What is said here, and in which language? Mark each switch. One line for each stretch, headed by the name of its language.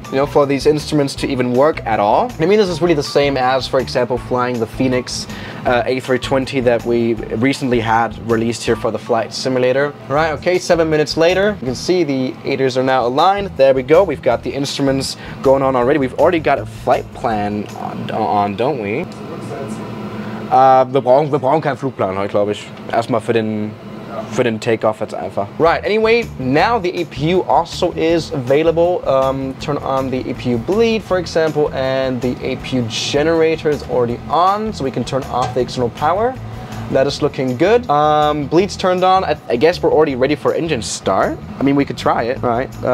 English: You know, for these instruments to even work at all. I mean, this is really the same as, for example, flying the Phoenix A320 that we recently had released here for the flight simulator. All right, okay, 7 minutes later, you can see the ATRs are now aligned. There we go, we've got the instruments going on already. We've already got a flight plan on, don't we?
German: Wir brauchen keinen Flugplan heute, glaube ich. Erstmal für den Takeoff jetzt einfach.
English: Right, anyway, now the APU also is available. Turn on the APU bleed, for example, and the APU generator is already on, so we can turn off the external power. That is looking good. Bleed's turned on. I guess we're already ready for engine start. I mean, we could try it, right?